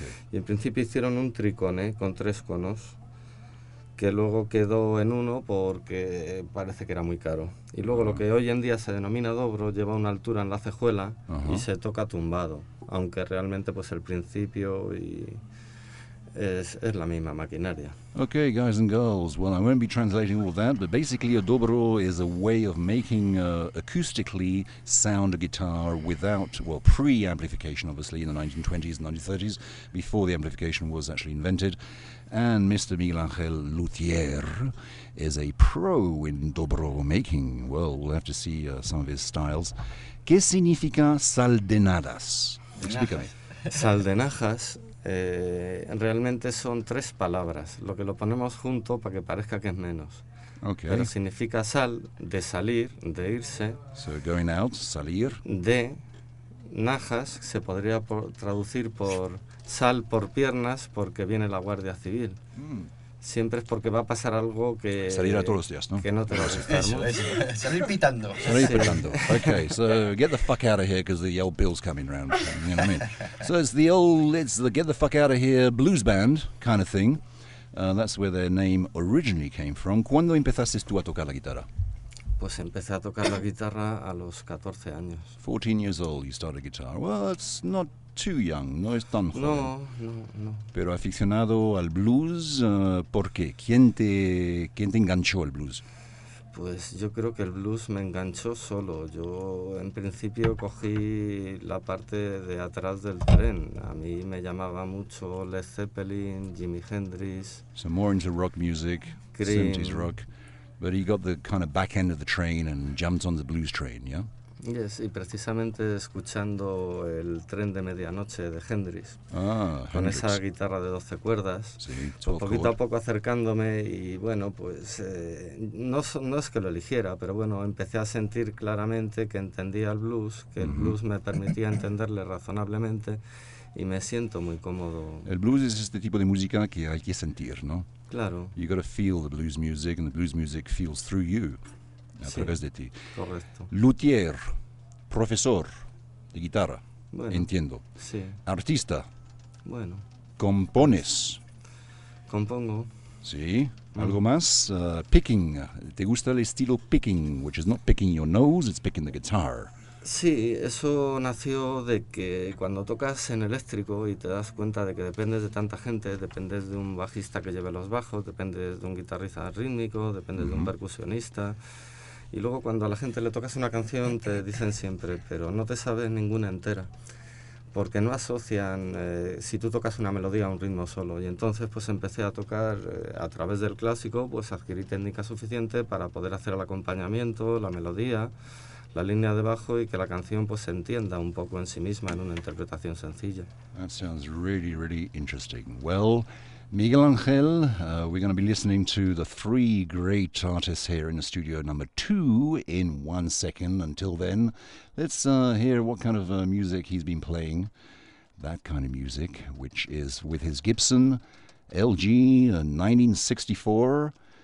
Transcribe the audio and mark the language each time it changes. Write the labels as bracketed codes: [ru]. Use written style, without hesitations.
[es] Y en principio hicieron un trícone con tres conos, que luego quedó en uno porque parece que era muy caro. Y luego lo que hoy en día se denomina dobro lleva una altura en la cejuela y se toca tumbado, aunque realmente pues el principio y es la misma maquinaria. [en] Okay, guys and girls, well, I won't be translating all that, but basically a dobro is a way of making acoustically sound a guitar without, well, pre-amplification, obviously, in the 1920s and 1930s, before the amplification was actually invented. And Mr. Miguel Angel Luthier is a pro in dobro making. Well, we'll have to see some of his styles. [es] ¿Qué significa sal de najas? Explícame. Sal de najas. Realmente son tres palabras, lo que lo ponemos junto para que parezca que es menos. [en] Okay. [es] Pero significa sal, de salir, de irse. [en] So going out, salir. [es] De najas, se podría traducir por sal por piernas porque viene la Guardia Civil. Siempre es porque va a pasar algo que... Salir a todos los días, ¿no? Que no te vas a estar, ¿no? Salir pitando. Salir pitando. [en] Okay, so get the fuck out of here because the old bill's coming round. You know what I mean? So it's the get the fuck out of here blues band kind of thing. That's where their name originally came from. [es] ¿Cuándo empezaste tú a tocar la guitarra? Pues empecé a tocar la guitarra a los 14 años. [en] 14 years old you started guitar. Well, it's not too young, [es] no es tan joven. No. Pero aficionado al blues, ¿por qué? ¿Quién te enganchó al blues? Pues yo creo que el blues me enganchó solo. Yo en principio cogí la parte de atrás del tren. A mí me llamaba mucho Led Zeppelin, Jimi Hendrix. [en] So more into rock music, Cream. 70s rock. But he got the kind of back end of the train and jumped on the blues train, yeah? [es] Yes, y precisamente escuchando el tren de medianoche de Hendrix. Ah, con esa guitarra de 12 cuerdas. Sí, pues poquito a poco acercándome y bueno, pues no es que lo eligiera, pero bueno, empecé a sentir claramente que entendía el blues, que el blues me permitía entenderle razonablemente y me siento muy cómodo. El blues es este tipo de música que hay que sentir, ¿no? Claro. [en] You got to feel the blues music and the blues music feels through you. [es] A través de ti. Correcto. Luthier, profesor de guitarra, bueno, entiendo. Sí. Artista. Bueno. Compones. Compongo. Sí. ¿Algo más? Picking. ¿Te gusta el estilo picking? [en] Which is not picking your nose, it's picking the guitar. [es] Sí, eso nació de que cuando tocas en eléctrico y te das cuenta de que dependes de tanta gente, dependes de un bajista que lleve los bajos, dependes de un guitarrista rítmico, dependes de un percusionista. Y luego cuando a la gente le tocas una canción te dicen siempre, pero no te sabes ninguna entera, porque no asocian si tú tocas una melodía a un ritmo solo. Y entonces pues empecé a tocar a través del clásico, pues adquirí técnica suficiente para poder hacer el acompañamiento, la melodía, la línea de bajo y que la canción pues se entienda un poco en sí misma en una interpretación sencilla. [en] That sounds really, really interesting. Well, Miguel Angel, we're going to be listening to the three great artists here in the studio number two in 1 second. Until then, let's hear what kind of music he's been playing. That kind of music, which is with his Gibson LG 1964.